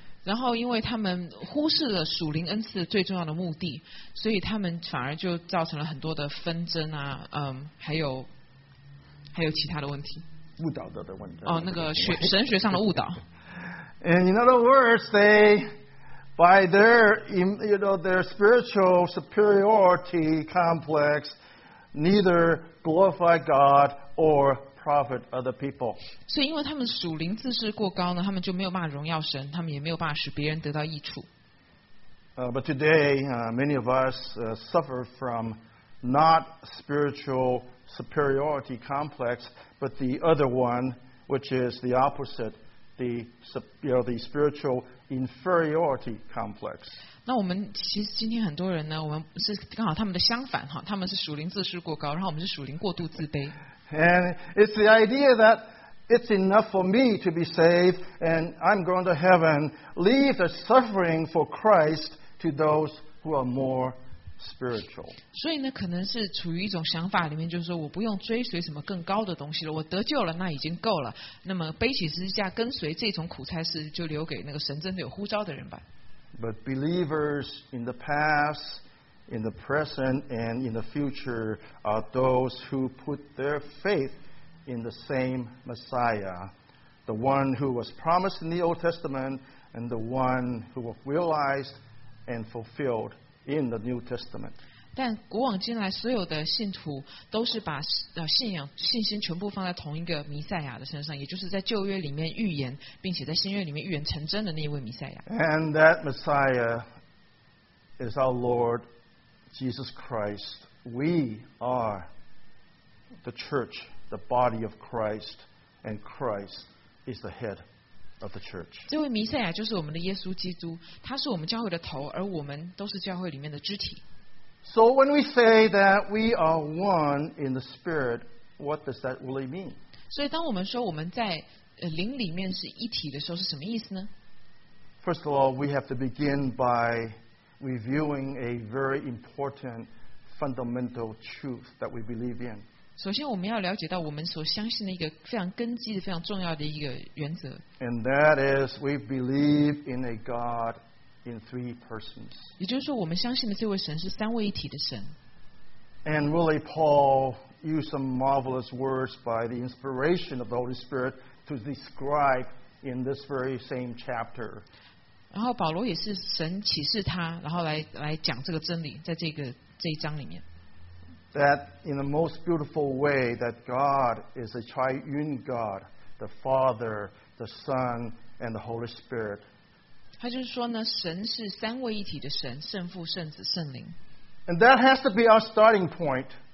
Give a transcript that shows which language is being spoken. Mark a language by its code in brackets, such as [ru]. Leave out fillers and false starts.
[zh] 然后因为他们忽视了属灵恩赐最重要的目的，所以他们反而就造成了很多的纷争啊，还有其他的问题，误导的问题，哦，那个神学上的误导。 [en] And in other words, they, by their, you know, their spiritual superiority complex, neither glorify God or profit other people. [zh] 所以因为他们属灵自视过高呢，他们就没有办法荣耀神，他们也没有办法使别人得到益处。 [en] But today, many of us suffer from not spiritual superiority complex, but the other one, which is the opposite, the spiritual inferiority complex. [zh] 那我们其实今天很多人呢，我们是刚好他们的相反哈，他们是属灵自视过高，然后我们是属灵过度自卑。 [en] And it's the idea that it's enough for me to be saved and I'm going to heaven. Leave the suffering for Christ to those who are more spiritual. [zh] 所以呢，可能是处于一种想法里面，就是说我不用追随什么更高的东西了，我得救了，那已经够了。那么背起十字架跟随这种苦差事，就留给那个神真的有呼召的人吧。 [en] But believers in the past, in the present, and in the future are those who put their faith in the same Messiah, the one who was promised in the Old Testament, and the one who was realized and fulfilled in the New Testament. [zh] 但古往今来，所有的信徒都是把信仰、信心全部放在同一个弥赛亚的身上，也就是在旧约里面预言，并且在新约里面预言成真的那一位弥赛亚。 [en] And that Messiah is our Lord Jesus Christ. We are the church, the body of Christ, and Christ is the head of the church. [zh] 这位弥赛亚就是我们的耶稣基督，他是我们教会的头，而我们都是教会里面的肢体。 [en] So when we say that we are one in the Spirit, what does that really mean? [zh] 所以当我们说我们在灵里面是一体的时候，是什么意思呢？ [en] First of all, we have to begin by reviewing a very important fundamental truth that we believe in. [zh] 首先我们要了解到我们所相信的一个非常根基的、非常重要的一个原则。 [en] And that is, we believe in a God in three persons. [zh] 也就是说我们相信的这位神是三位一体的神。 [en] And really Paul used some marvelous words by the inspiration of the Holy Spirit to describe in this very same chapter. [zh] 然后保罗也是神启示他，然后 来讲这个真理，在这一章里面。 [en] That in the most beautiful way that God is a triune God, the Father, the Son, and the Holy Spirit. [zh] 他就是说呢，神是三位一体的神，圣父、圣子、圣灵。 [en] And that has to be our starting point.